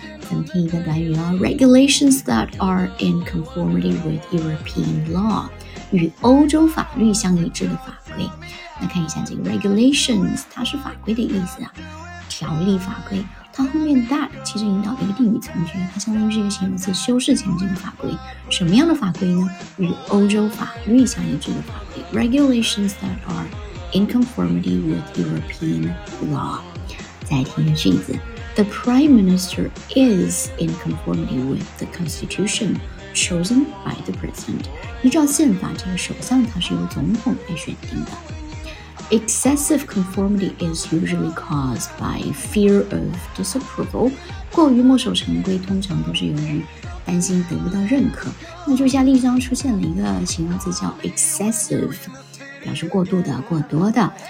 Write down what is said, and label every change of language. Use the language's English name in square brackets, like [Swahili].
[Chinese] 咱们听一个短语啊 ， [English] regulations that are in conformity with European law， [Chinese] 与欧洲法律相一致的法规。那看一下这个 regulations， 它是法规的意思啊，条例、法规。它后面 that 其实引导一个定语从句，它相当于是一个形容词，修饰前进的法规。什么样的法规呢？与欧洲法律相一致的法规。 [English] Regulations that are in conformity with European law. [Chinese] 再听一个句子 [English] ，The Prime Minister is in conformity with the Constitution chosen by the President. [Chinese] 依照宪法，这个首相他是由总统来选定的。 [English] Excessive conformity is usually caused by fear of disapproval. [Chinese] 过于墨守成规通常都是由于担心得不到认可。那就像例子出现了一个形容词叫 excessive， 表示过度的、过多的。